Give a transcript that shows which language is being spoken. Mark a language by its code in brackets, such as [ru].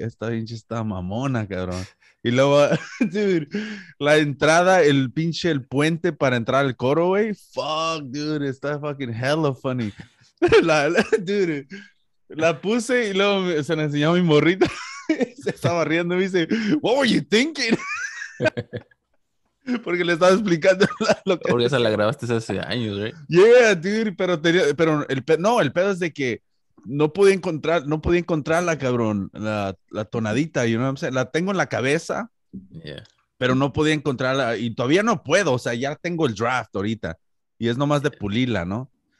[es] Esta pinche está mamona, cabrón. Y luego, dude, la entrada, el pinche, el puente para entrar al coro, güey. [en] Fuck, dude, está fucking hella funny. [es] Dude, la puse y luego se la enseñó a mi morrita. Se estaba riendo y me dice, [en] what were you thinking? [es] Porque le estaba explicando lo que. Porque esa la grabaste hace años, güey. Yeah, dude, pero el pedo es de que no podía encontrarla, cabrón, la tonadita, [en] you know what I'm saying? [es] La tengo en la cabeza, pero no podía encontrarla, y todavía no puedo, o sea, ya tengo el draft ahorita, y es nomás de pulirla, ¿no?